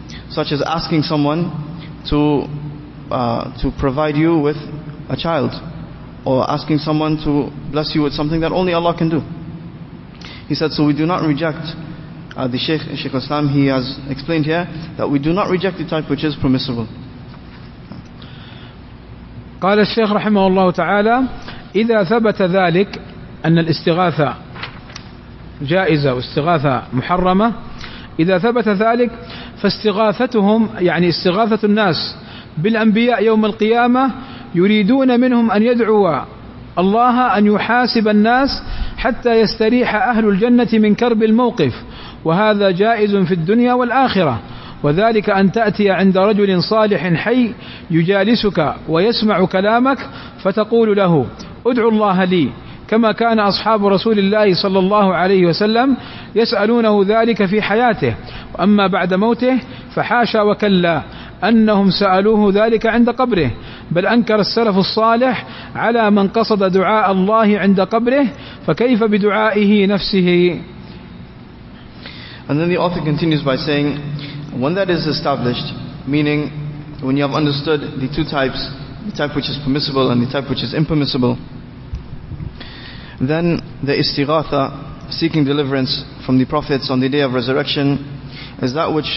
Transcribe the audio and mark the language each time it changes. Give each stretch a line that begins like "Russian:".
English: Such as asking someone to provide you with a child or asking someone to bless you with something that only Allah can do. He said, so we do not reject the Shaykh al-Islam, he has explained here that we do not reject the type which is permissible.
Arabic: قال الشيخ رحمه الله تعالى إذا ثبت ذلك أن الاستغاثة جائزة واستغاثة محرمة إذا ثبت ذلك فاستغاثتهم يعني استغاثة الناس بالأنبياء يوم القيامة يريدون منهم أن يدعوا الله أن يحاسب الناس حتى يستريح أهل الجنة من كرب الموقف وهذا جائز في الدنيا والآخرة وذلك أن تأتي عند رجل صالح حي يجالسك ويسمع كلامك فتقول له ادعو الله لي كما كان أصحاب رسول الله صلى الله عليه وسلم يسألونه ذلك في حياته، وأما بعد موته فحاشا وكلا أنهم سألوه ذلك عند قبره، بل أنكر السلف الصالح على من قصد دعاء الله عند قبره، فكيف بدعائه نفسه؟
English: And then the author continues by saying, when that is established, meaning when you have understood the two types, the type which is permissible and the type which is impermissible, then the istighatha, seeking deliverance from the prophets on the day of resurrection, is that